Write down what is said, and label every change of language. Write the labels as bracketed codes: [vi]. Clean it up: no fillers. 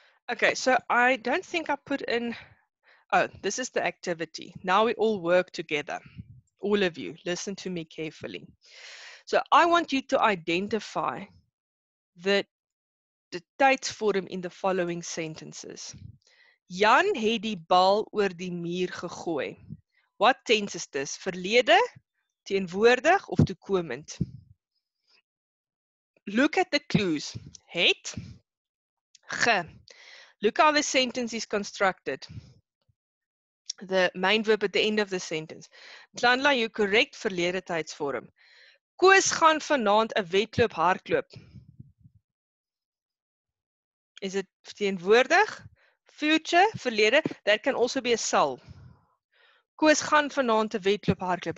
[en] Okay, so I don't think I put in... Oh, this is the activity. Now we all work together. All of you, listen to me carefully. So I want you to identify the Tydsvorm in the following sentences. [af] Jan het die bal oor die muur gegooi. [en] What tense is this? [af] Verlede, teenwoordig of toekomend? [en] Look at the clues. Het, ge. Look how the sentence is constructed. The main verb at the end of the sentence. Tlanla, you correct verlede Tydsvorm. [af] Koos gaan vanaand 'n wedloop hardloop. [en] Is it teenwoordig? Future, verlede. That can also be a sal. [af] Koos gaan vanaand 'n wedloop hardloop.